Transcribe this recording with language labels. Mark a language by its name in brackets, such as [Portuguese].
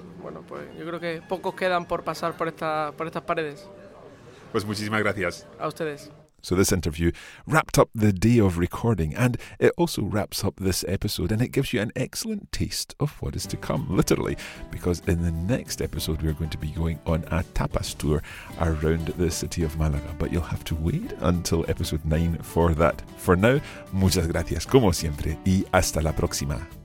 [Spanish] Bueno, pues yo creo que pocos quedan por pasar por estas paredes. Pues muchísimas gracias. A ustedes. [English] So this interview wrapped up the day of recording, and it also wraps up this episode, and it gives you an excellent taste of what is to come, literally, because in the next episode we are going to be going on a tapas tour around the city of Málaga, but you'll have to wait until episode 9 for that. For now, [Spanish] muchas gracias como siempre y hasta la próxima.